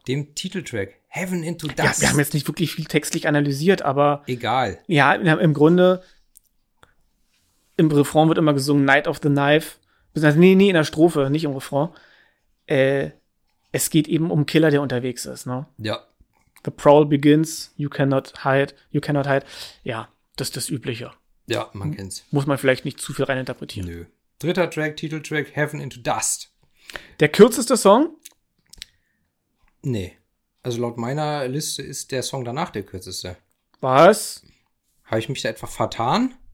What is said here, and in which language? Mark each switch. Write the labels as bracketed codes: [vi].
[de] Dem Titeltrack. Heaven into Dust. Ja, wir haben jetzt nicht wirklich viel textlich analysiert, aber egal. Ja, im Grunde, im Refrain wird immer gesungen, Night of the Knife. Also, nee, in der Strophe, nicht im Refrain. Es geht eben um Killer, der unterwegs ist, ne? Ja. [en] The prowl begins, you cannot hide. [de] Ja. Das ist das Übliche. Ja, man kennt's. Muss man vielleicht nicht zu viel reininterpretieren. Nö. Dritter Track, Titeltrack, Heaven into Dust. Der kürzeste Song? Nee. Also laut meiner Liste ist der Song danach der kürzeste. Was? Habe ich mich da etwa vertan?